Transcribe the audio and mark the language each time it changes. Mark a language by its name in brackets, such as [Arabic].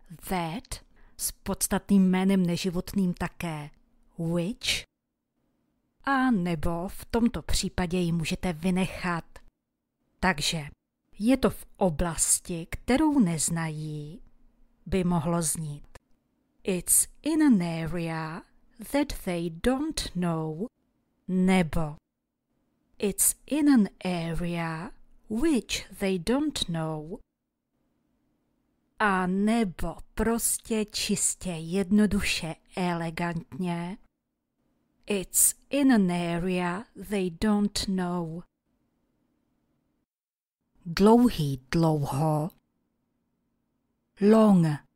[Czech] That s podstatným jménem neživotným také. Which. A nebo v tomto případě ji můžete vynechat. Takže je to v oblasti, kterou neznají, by mohlo znít. [English] It's in an area that they don't know. Nebo it's in an area which they don't know. [Czech] A nebo prostě čistě, jednoduše, elegantně. [English] It's in an area they don't know. [Czech] Dlouhý, dlouho. Long.